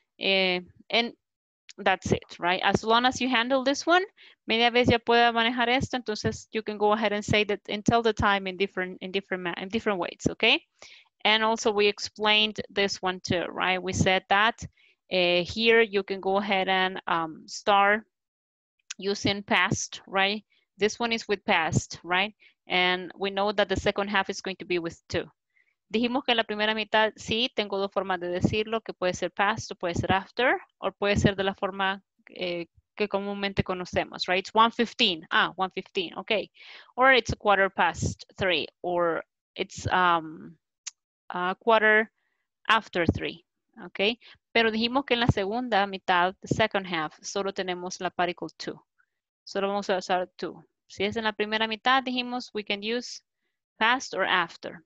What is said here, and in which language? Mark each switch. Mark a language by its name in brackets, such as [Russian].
[English] And that's it, right? As long as you handle this one, [Spanish] media vez ya pueda manejar esto, entonces [English] you can go ahead and say that and tell the time in different ways, okay? And also we explained this one too, right? We said that here you can go ahead and start using past, right? This one is with past, right? And we know that the second half is going to be with two. [Spanish] Dijimos que la primera mitad, sí, tengo dos formas de decirlo, que puede ser past, o puede ser after, o puede ser de la forma que comúnmente conocemos, right? [English] It's 1:15, 1:15, okay. Or it's a quarter past three, or it's a quarter after three, okay? [Spanish] Pero dijimos que en la segunda mitad, [English] the second half, [Spanish] solo tenemos la particle two. Solo vamos a usar two. Si es en la primera mitad, dijimos [English] we can use past or after.